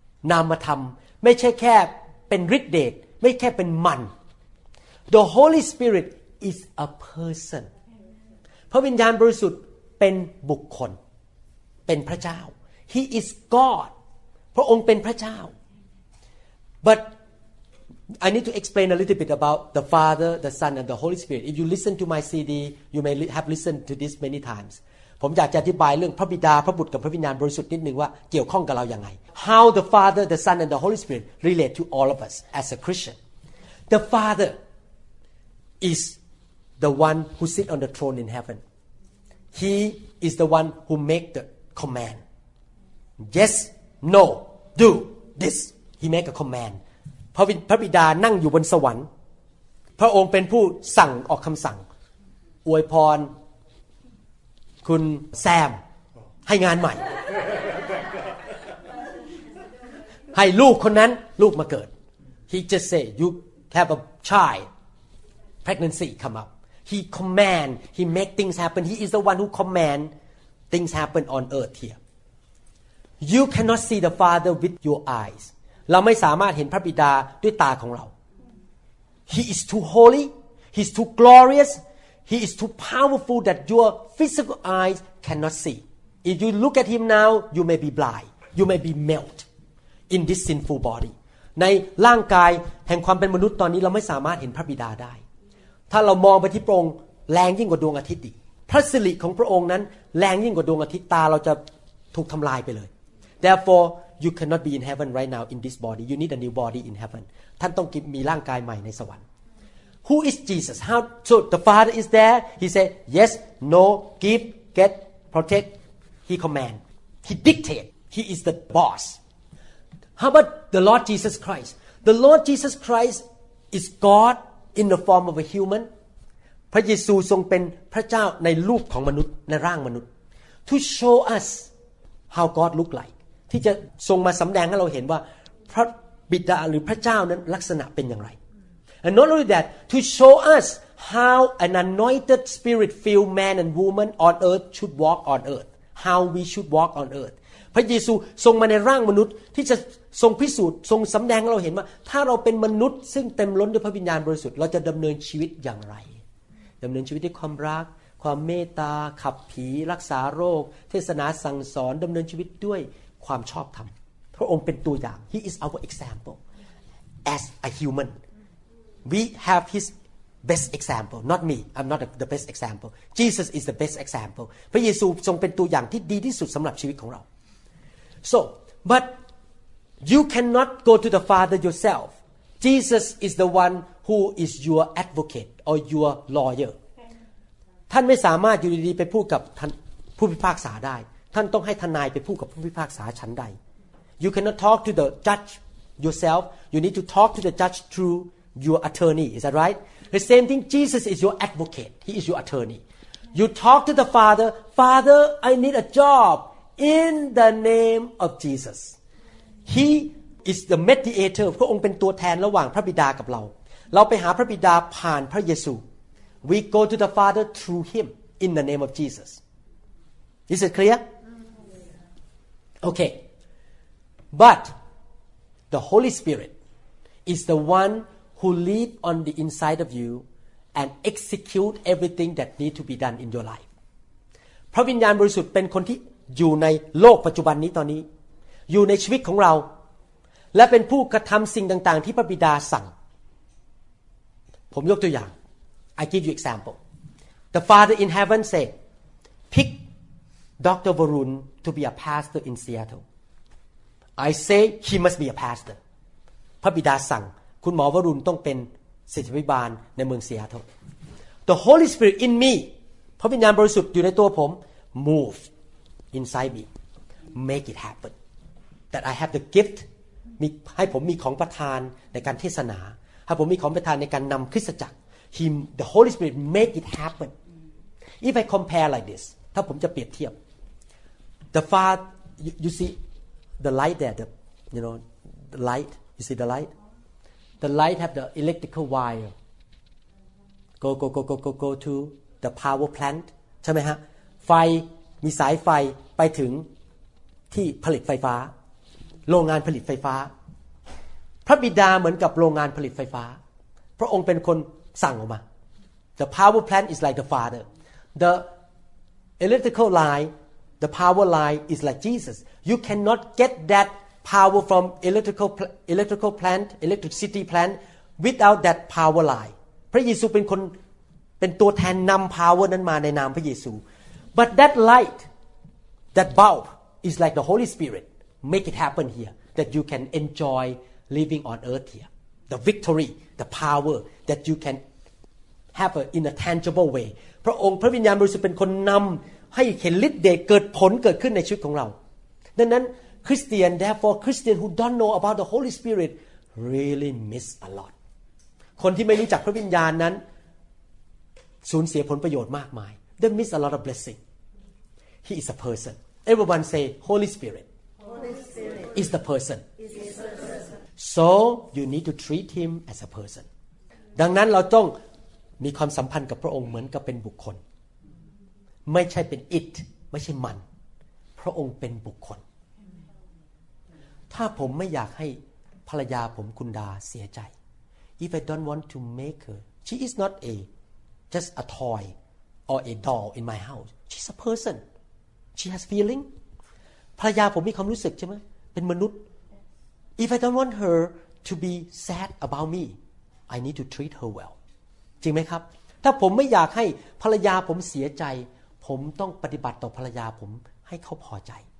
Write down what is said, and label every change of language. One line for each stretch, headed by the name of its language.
Thai: นามธรรมไม่ใช่แค่เป็นฤทธิ์เดชไม่แค่เป็นมัน
English: The Holy Spirit is a person
Thai: พระวิญญาณบริสุทธิ์เป็นบุคคลเป็นพระเจ้า
English: He is God
Thai: พระองค์เป็นพระเจ้า
English: But I need to explain a little bit about the Father, the Son, and the Holy Spirit. If you listen to my CD, you may have listened to this many times.
Thai: ผมอยากจะอธิบายเรื่องพระบิดาพระบุตรกับพระวิญญาณบริสุทธิ์นิดนึงว่าเกี่ยวข้องกับเราอย่างไร
English: How the Father, the Son, and the Holy Spirit relate to all of us as a Christian. The Father is the one who sit on the throne in heaven. He is the one who make the command. Yes, no, do this. He make a command.
Thai: พระบิดานั่งอยู่บนสวรรค์พระองค์เป็นผู้สั่งออกคำสั่งอวยพรคุณแซมให้งานใหม่ ให้ลูกคนนั้นลูกมาเกิด
English: He just say you have a child pregnancy come up He command He make things happen He is the one who command things happen on earth here You cannot see the Father with your eyes
Thai: เราไม่สามารถเห็นพระบิดาด้วยตาของเรา
English: He is too holy He is too gloriousHe is too powerful that your physical eyes cannot see. If you look at him now, you may be blind. You may be melt in this sinful body.
Thai: ในร่างกายแห่งความเป็นมนุษย์ตอนนี้เราไม่สามารถเห็นพระบิดาได้ถ้าเรามองไปที่พระองค์แรงยิ่งกว่าดวงอาทิตย์อีกพระสิริของพระองค์นั้นแรงยิ่งกว่าดวงอาทิตย์ตาเราจะถูกทำลายไปเลย
English: Therefore, you cannot be in heaven right now in this body. You need a new body in heaven.
Thai: ท่านต้องมีร่างกายใหม่ในสวรรค์
English: Who is Jesus? How so? The Father is there. He said yes, no, give, get, protect. He command. He dictate. He is the boss. How about the Lord Jesus Christ? The Lord Jesus Christ is God in the form of a human.
Thai: พระเยซูทรงเป็นพระเจ้าในรูปของมนุษย์ในร่างมนุษย์
English: to show us how God look like.
Thai: ที่จะทรงมาสำแดงให้เราเห็นว่าพระบิดาหรือพระเจ้านั้นลักษณะเป็นอย่างไร
English: And not only that, to show us how an anointed spirit-filled man and woman on earth should walk on earth. How we should walk on earth.
Thai: พระเยซูทรงมาในร่างมนุษย์ที่จะทรงพิสูจน์ทรงสำแดงให้เราเห็นว่าถ้าเราเป็นมนุษย์ซึ่งเต็มล้นด้วยพระวิญญาณบริสุทธิ์เราจะดำเนินชีวิตอย่างไรดำเนินชีวิตด้วยความรักความเมตตาขับผีรักษาโรคเทศนาสั่งสอนดำเนินชีวิตด้วยความชอบธรรมพระองค์เป็นตัวอย่าง
English: He is our example as a humanWe have his best example, not me. I'm not the best example. Jesus is the best example.
Thai: พระเยซูทรงเป็นตัวอย่างที่ดีที่สุดสำหรับชีวิตของเรา
English: So, but you cannot go to the Father yourself. Jesus is the one who is your advocate or your lawyer.
Thai: ท่านไม่สามารถอยู่ดีๆไปพูดกับผู้พิพากษาได้ท่านต้องให้ทนายไปพูดกับผู้พิพากษาชั้นใด
English: You cannot talk to the judge yourself. You need to talk to the judge throughYour attorney, is that right? The same thing, Jesus is your advocate. He is your attorney. You talk to the Father. Father, I need a job in the name of Jesus. He is the mediator.
Thai: พระองค์เป็นตัวแทนระหว่างพระบิดากับเราเราไปหาพระบิดาผ่านพระเยซู
English: We go to the Father through him in the name of Jesus. Is it clear? Okay. But the Holy Spirit is the oneWho lead on the inside of you and execute everything that need to be done in your life.
Thai: พระวิญญาณบริสุทธิ์เป็นคนที่อยู่ในโลกปัจจุบันนี้ตอนนี้อยู่ในชีวิตของเราและเป็นผู้กระทำสิ่งต่างๆที่พระบิดาสั่ง ผมยกตัวอย่าง
English: I give you example. The Father in heaven said, pick Dr. Varun to be a pastor in Seattle. I say he must be a pastor.
Thai: พระบิดาสั่งคุณหมอวรุณต้องเป็นศิษยาภิบาลในเมืองซีแอตเทิล
English: The Holy Spirit in me,
Thai: พระวิญญาณบริสุทธิ์อยู่ในตัวผม
English: move inside me, make it happen. That I have the gift,
Thai: ให้ผมมีของประทานในการเทศนาให้ผมมีของประทานในการนำคริสตจักร
English: Him, the Holy Spirit make it happen. If I compare like this,
Thai: ถ้าผมจะเปรียบเทียบ
English: The Father, you see the light there, the, you know, the light, you see the light? The light have the electrical wire. Go to the power plant.
Thai: ใช่ไหมฮะไฟมีสายไฟไปถึงที่ผลิตไฟฟ้าโรงงานผลิตไฟฟ้าพระบิดาเหมือนกับโรงงานผลิตไฟฟ้าพระองค์เป็นคนสั่งออกมา
English: The power plant is like the Father. The electrical line, the power line is like Jesus. You cannot get thatpower from electrical plant electricity plant without that power line
Thai: พระเยซูเป็นคนเป็นตัวแทนนำ
English: power นั้น
Thai: มาในนามพระเยซู
English: but that light that bulb is like the holy spirit make it happen here that you can enjoy living on earth here the victory the power that you can
Thai: have in a tangible way พระองค์พระวิญญาณบริสุทธิ์เป็นคนนำให้เห็นฤทธิ์เดชเกิดผลเกิดขึ้นในชีวิตของเราดังนั้น
English: Christian, therefore, Christian who don't know about the Holy Spirit really miss a lot.
Thai: คนที่ไม่รู้จักพระวิญญาณนั้นสูญเสียผลประโยชน์มากมาย
English: They miss a lot of blessing. He is a person. Everyone say, Holy Spirit. Holy Spirit is the person. Is the person. So you need to treat him as a person.
Thai: ดังนั้นเราต้องมีความสัมพันธ์กับพระองค์เหมือนกับเป็นบุคคลไม่ใช่เป็น it, ไม่ใช่มันพระองค์เป็นบุคคล ถ้าผมไม่อยากให้ภรรยาผมคุณดาเสียใจ
English: If I don't want to make her she is not a just a toy or a doll in my house she's a person she has feeling
Thai: ภรรยาผมมีความรู้สึกใช่ไหมเป็นมนุษย์
English: If I don't want her to be sad about me I need to treat her well
Thai: จริงไหมครับถ้าผมไม่อยากให้ภรรยาผมเสียใจผมต้องปฏิบัติต่อภรรยาผมให้เขาพอใจ